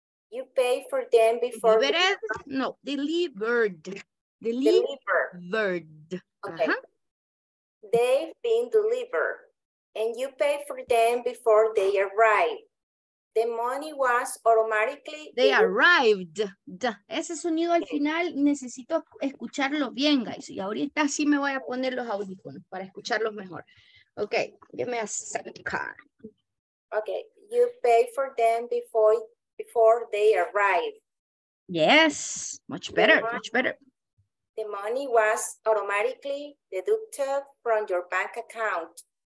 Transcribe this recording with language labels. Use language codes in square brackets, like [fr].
[en] You pay for them before. Delivered. Okay. Uh-huh. They've been delivered, and you pay for them before they arrive. The money was automatically... They arrived. [es] Ese sonido al final necesito escucharlo bien, guys. Y ahorita sí me voy a poner los audífonos para escucharlos mejor. [en] Okay, give me a second. Okay, you pay for them before they arrive. Yes, much better, much better. The money was automatically deducted from your bank account.